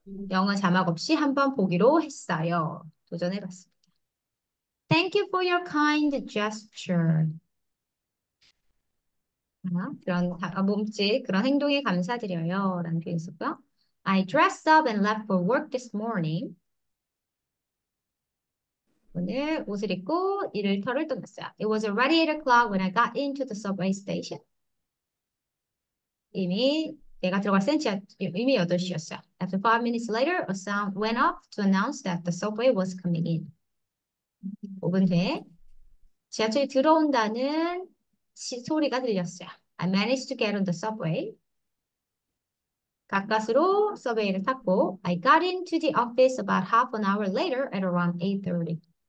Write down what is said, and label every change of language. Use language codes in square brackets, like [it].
[ko] 영어 자막 없이 한번 보기로 했어요. 도전해봤습니다. [en] Thank you for your kind gesture. [ko] 몸짓, 그런 행동에 감사드려요. 라는 표현이 있었고요. [en] I dressed up and left for work this morning. [ko] 오늘 옷을 입고 일터를 떠났어요. [en] It was already 8 o'clock when I got into the subway station. [ko] 이미 내가 들어갈 센치야 이미 8시였어요. [en] After 5 minutes later, a sound went off to announce that the subway was coming in. [ko] 5분 뒤에 지하철이 들어온다는 소리가 들렸어요. [en] I managed to get on the subway. [ko] 가까스로 서베이를 탔고, [en] I got into the office about half an hour later at around 8:30.